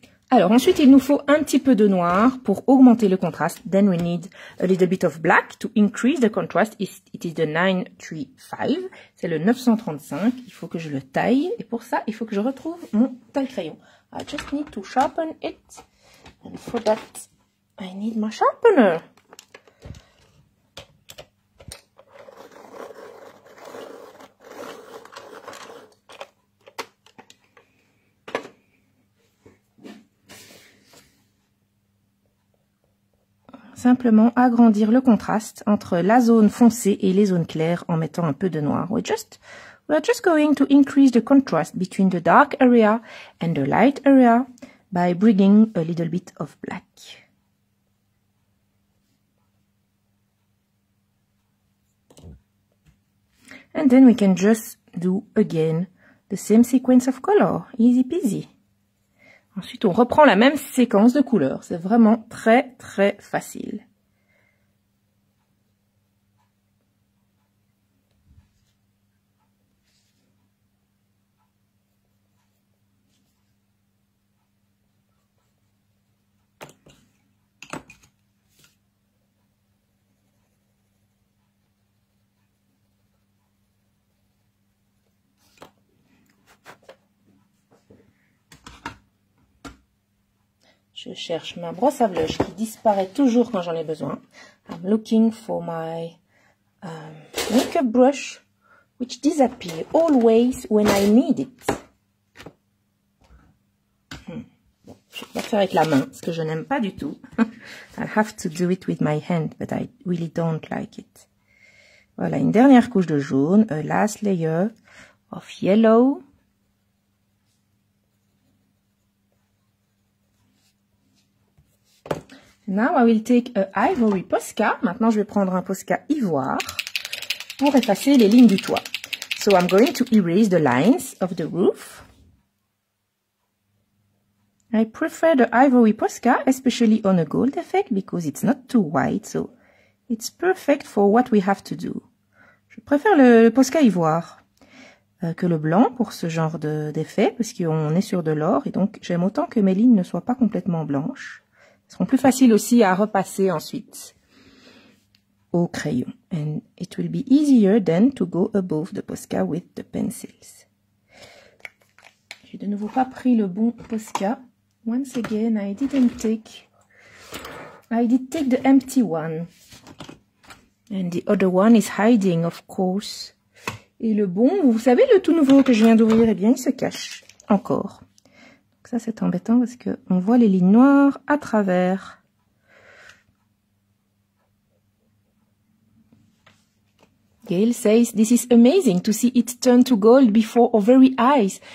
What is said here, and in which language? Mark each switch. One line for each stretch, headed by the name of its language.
French: Alors ensuite, il nous faut un petit peu de noir pour augmenter le contraste.
English: Then we need a little bit of black to increase the contrast. It is the 935.
French: C'est le 935. Il faut que je le taille. Et pour ça, il faut que je retrouve mon taille crayon.
English: I just need to sharpen it. And for that, I need my sharpener.
French: Simplement agrandir le contraste entre la zone foncée et les zones claires en mettant un peu de noir.
English: We're just going to increase the contrast between the dark area and the light area by bringing a little bit of black. And then we can just do again the same sequence of color. Easy peasy.
French: Ensuite, on reprend la même séquence de couleurs. C'est vraiment très, très facile. Je cherche ma brosse à blush qui disparaît toujours quand j'en ai besoin.
English: I'm looking for my makeup brush which disappears always when I need it.
French: Bon, je vais faire avec la main, ce que je n'aime pas du tout.
English: I have to do it with my hand, but I really don't like it.
French: Voilà, une dernière couche de jaune,
English: a last layer of yellow. Now I will take an ivory Posca.
French: Maintenant, je vais prendre un Posca ivoire pour effacer les lignes du toit.
English: So I'm going to erase the lines of the roof. I prefer the ivory Posca, especially on a gold effect, because it's not too white. So it's perfect for what we have to do.
French: Je préfère le Posca ivoire que le blanc pour ce genre d'effet, parce qu'on est sur de l'or et donc j'aime autant que mes lignes ne soient pas complètement blanches. Seront plus faciles aussi à repasser ensuite au crayon.
English: And it will be easier then to go above the Posca with the pencils.
French: J'ai de nouveau pas pris le bon Posca.
English: Once again, I did take the empty one. And the other one is hiding, of course.
French: Et le bon, vous savez, le tout nouveau que je viens d'ouvrir, eh bien, il se cache encore. Ça, c'est embêtant parce que on voit les lignes noires à travers.
English: Gail says, this is amazing to see it turn to gold before our very eyes.